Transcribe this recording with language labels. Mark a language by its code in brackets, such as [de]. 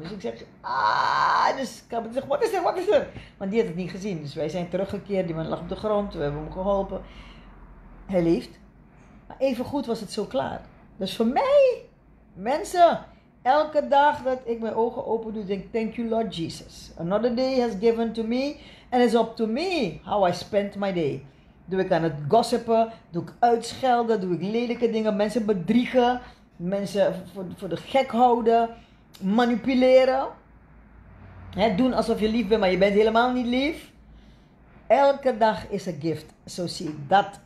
[nl] Dus ik zeg, dus ik zeg, wat is er? Want die had het niet gezien. Dus wij zijn teruggekeerd. Die man lag op de grond. We hebben hem geholpen. Hij leeft. Maar evengoed was het zo klaar. Dus voor mij, mensen, elke dag dat ik mijn ogen open doe, denk ik, [en] thank you Lord Jesus. Another day has given to me and it's up to me how I spend my day. [nl] Doe ik aan het gossipen, doe ik uitschelden, doe ik lelijke dingen, mensen bedriegen, mensen voor de gek houden, manipuleren. Hè, doen alsof je lief bent, maar je bent helemaal niet lief. Elke dag is een gift, zo zie ik dat.